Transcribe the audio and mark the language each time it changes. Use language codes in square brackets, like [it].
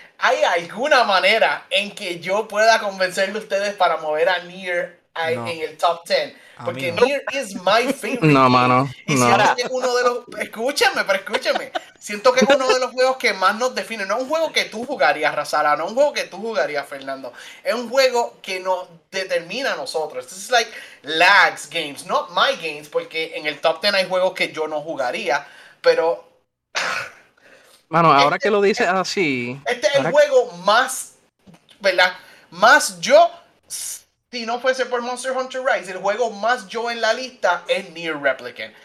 [es] ¿Hay alguna manera en que yo pueda convencer de ustedes para mover a Near en el top 10? Porque [en] Near is my favorite. [es] No, mano. Escúchame. Siento que es uno de los juegos que más nos define. No es un juego que tú jugarías, Razara. No es un juego que tú jugarías, Fernando. Es un juego que nos determina a nosotros. [en] This is like Lag's games, not my games. [es] Porque en el top 10 hay juegos que yo no jugaría. Pero... Mano, ahora que lo dices así... Este es el juego más... ¿Verdad? Más yo... Si no fuese por Monster Hunter Rise, el juego más yo en la lista es Near Replicant.